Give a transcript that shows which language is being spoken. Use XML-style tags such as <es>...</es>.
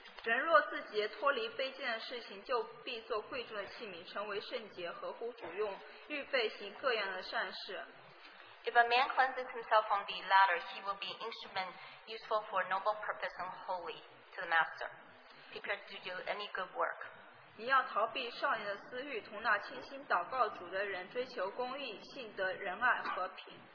<zh>人若自洁脱离卑贱的事情，就必做贵重的器皿，成为圣洁，合乎主用，预备行各样的善事。</zh> <en>If a man cleanses himself from the latter, he will be an instrument useful for noble purpose and holy to the master, prepared to do any good work.</en> <zh>你要逃避少年的私欲，同那倾心祷告主的人，追求公义、信德、仁爱和平。</zh>